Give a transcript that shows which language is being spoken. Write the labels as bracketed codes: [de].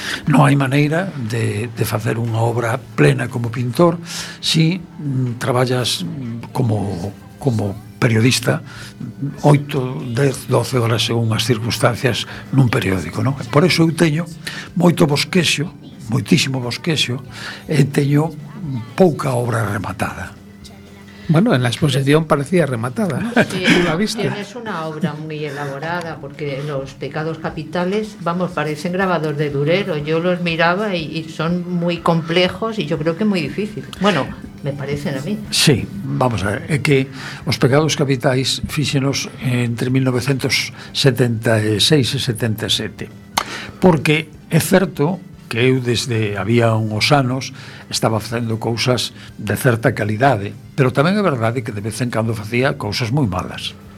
[gl] Non hai maneira de facer unha obra plena como pintor si traballas como periodista 8, 10, 12 horas según as circunstancias nun periódico, non? Por iso eu teño moito bosquexo, moitísimo bosquexo, e teño pouca obra rematada. [es] Bueno, en la exposición parecía rematada. No, sí, ¿tú la viste? Es una obra muy elaborada, porque los pecados capitales, vamos, parecen grabados de Durero. Yo los miraba y son muy complejos y yo creo que muy difíciles. Bueno, me parecen a mí. [gl] Sí, vamos a ver, é que Os pecados que habitáis fíxenos entre 1976 e 77. Porque é certo que eu desde había uns anos estaba facendo cousas de certa calidade, pero tamén é verdade que de vez en cando facía cousas moi malas.